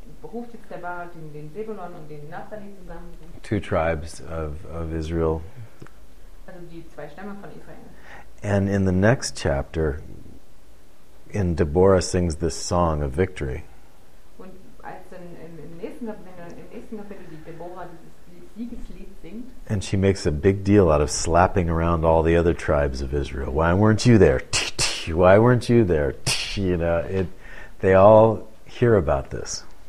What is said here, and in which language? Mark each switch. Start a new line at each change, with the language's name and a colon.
German: Ruft jetzt der Barak den Zebulon und den Naphtali zusammen.
English: Two tribes of Israel.
German: Also die zwei Stämme von Israel.
English: And in the next chapter, in Deborah sings this song of victory.
German: Und als dann im nächsten Kapitel die Deborah dieses Siegeslied singt.
English: And she makes a big deal out of slapping around all the other tribes of Israel. Why weren't you there? Why weren't you there? You know, they all hear about this.